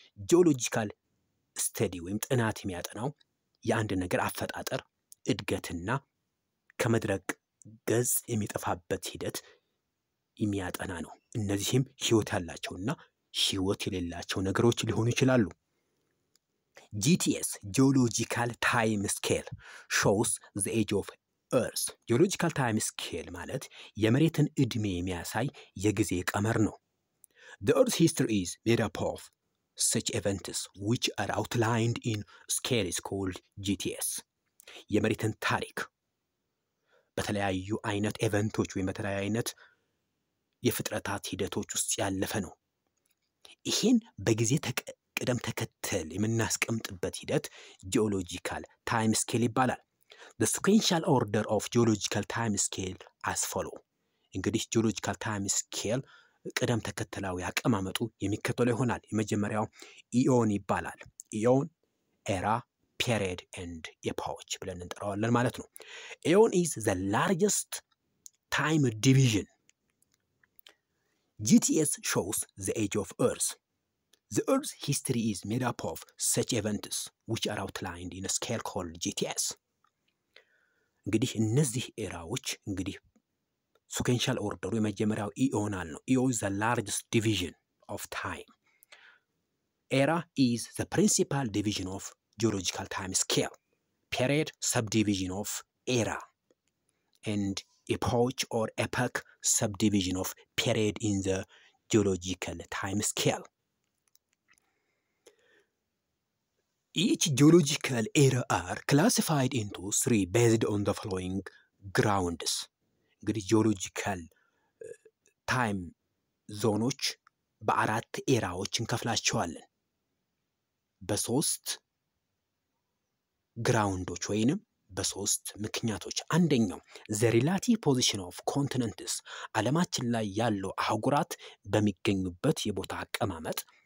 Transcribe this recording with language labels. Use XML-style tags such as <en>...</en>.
<en>Geological study</en> <am>ወይም ጥናት የሚያጠናው የአንድ ነገር አፈጣጠር እድገትና ከመድረቅ ገጽ የሚጠፋበት ሂደት የሚያጠና ነው። እነዚህም ህይወት ያላቸውና ህይወት የሌላቸው ነገሮች ሊሆኑ ይችላሉ።</am> <en>GTS, Geological Time Scale, shows the age of Earth. Geological Time Scale</en> <am>ማለት የመሬትን እድሜ የሚያሳይ የጊዜ ቀመር ነው።</am> <en>The Earth's history is made up of such events which are outlined in scale is called GTS.</en> <am>የመሬትን ታሪክ በተለያዩ አይነት ኢቨንቶች ወይም በተለያየ አይነት የፍጥረታት ሂደቶች ውስጥ ያለፈ ነው። ይህን በጊዜ ቀደም ተከተል የምናስቀምጥበት ሂደት ጂኦሎጂካል ታይም ስኬል ይባላል።</am> <en>The sequential order of geological time scale as follow.</en> <am>እንግዲህ ጂኦሎጂካል ታይም ስኬል ቀደም ተከተላው ያቀማመጡ የሚከተለው ይሆናል። የመጀመሪያው ኢዮን ይባላል። ኢዮን ኤራ</am> <en>period and epoch</en> <am>ብለን እንጠራዋለን ማለት ነው።</am> <en>Aeon is the largest time division. GTS shows the age of Earth. The Earth's history is made up of such events which are outlined in a scale called GTS.</en> <am>እንግዲህ እነዚህ ኤራዎች እንግዲህ</am> <en>sequential order የመጀመሪያው Aeon</en> <am>አለ ነው።</am> <en>Aeon is the largest division of time. Era is the principal division of geological time scale. Period, subdivision of era, and epoch or epoch, subdivision of period in the geological time scale. Each geological era are classified into three based on the following grounds.</en> <am>Geological time zones በአራት ኤራዎች እንከፍላቸዋለን። በሶስት ግራውንዶች ወይንም በሶስት ምክንያቶች። አንደኛው</am> <en>the relative position of continents</en> <am>ዓለማችን ላይ ያለው አህጉራት በሚገኙበት የቦታ አቀማመጥ።</am>